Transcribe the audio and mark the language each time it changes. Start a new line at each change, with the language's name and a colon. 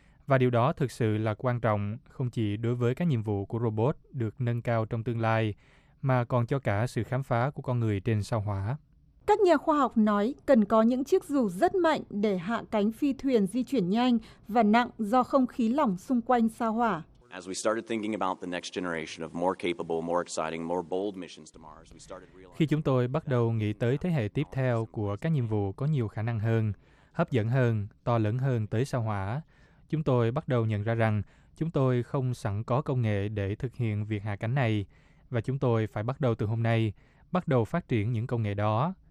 Vietnamese: Và điều đó thực sự là quan trọng, không chỉ đối với các nhiệm vụ của robot được nâng cao trong tương lai, mà còn cho cả sự khám phá của con người trên sao Hỏa. Các nhà khoa học nói cần có những chiếc dù rất mạnh để hạ cánh phi thuyền di chuyển nhanh và nặng do không khí lỏng xung quanh sao Hỏa.
English: As we started thinking about the next generation of more capable, more exciting, more bold missions to Mars, we started realizing.
Vietnamese: Khi chúng tôi bắt đầu nghĩ tới thế hệ tiếp theo của các nhiệm vụ có nhiều khả năng hơn, hấp dẫn hơn, to lớn hơn tới sao Hỏa, chúng tôi bắt đầu nhận ra rằng chúng tôi không sẵn có công nghệ để thực hiện việc hạ cánh này và chúng tôi phải bắt đầu từ hôm nay, bắt đầu phát triển những công nghệ đó.